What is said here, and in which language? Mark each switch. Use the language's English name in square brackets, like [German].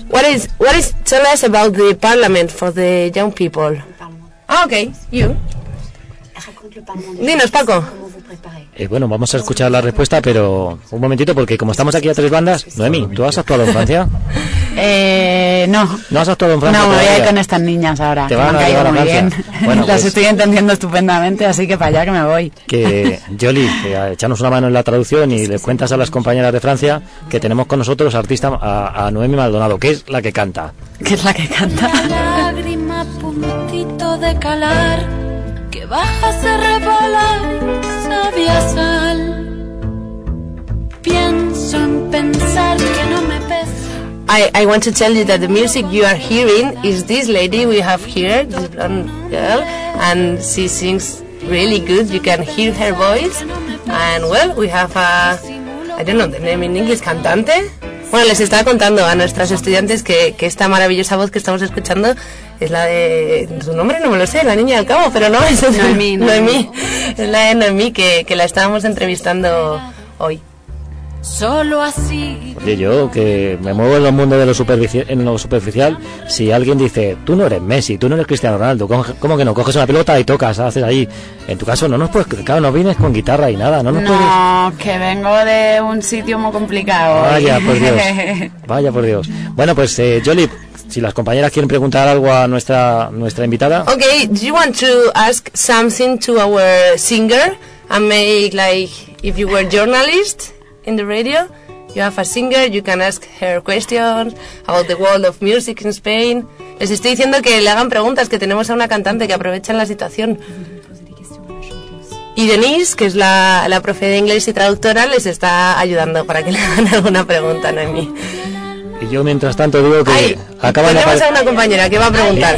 [English] What is tell us about the parliament for the young people? Ah, okay. You. Dinos, Paco. [Spanish] Bueno, vamos a escuchar la respuesta, pero un momentito, porque como estamos aquí a tres bandas, Noemí, ¿tú has actuado en Francia? No. ¿No has actuado en Francia? No, voy a ir con estas niñas ahora. Te van a llevar a Francia. Muy bien. Bueno, las estoy entendiendo estupendamente, así que para allá que me voy. Que, Jolie, echanos una mano en la traducción y le cuentas a las compañeras de Francia que tenemos con nosotros artista a Noemí Maldonado, que es la que canta. ¿Qué es la que canta? La lágrima puntito de calar, que baja se rebala. Sabía sal. Pienso en pensar que no me pesa. [English] I want to tell you that the music you are hearing is this lady we have here, this blonde girl, and she sings really good. You can hear her voice. And well, we have a, I don't know the name in English, cantante. [Spanish] Bueno, les estaba contando a nuestras estudiantes que esta maravillosa voz que estamos escuchando es la de... Su nombre no me lo sé, la niña al cabo, pero no, es Noemí. Noemí, es la de Noemí que la estábamos entrevistando hoy. Solo así. Oye, yo que me muevo en el mundo de lo superficial, si alguien dice, tú no eres Messi, tú no eres Cristiano Ronaldo, ¿cómo que no? Coges una pelota y tocas, haces ahí. En tu caso, no nos puedes, claro, no vienes con guitarra y nada, no puedes. No, que vengo de un sitio muy complicado. Vaya por Dios. Bueno, pues, Jolly, si las compañeras quieren preguntar algo a nuestra invitada. [English] Ok, do you want to ask something to our singer? I make like, if you were journalist. In the radio, you have a singer, you can ask her questions about the world of music in Spain. [Spanish] Les estoy diciendo que le hagan preguntas, que tenemos a una cantante que aprovecha la situación. Y Denise, que es la profe de inglés y traductora, les está ayudando para que le hagan alguna pregunta, Noemí. Y yo mientras tanto digo que... Tenemos a una compañera que va a preguntar.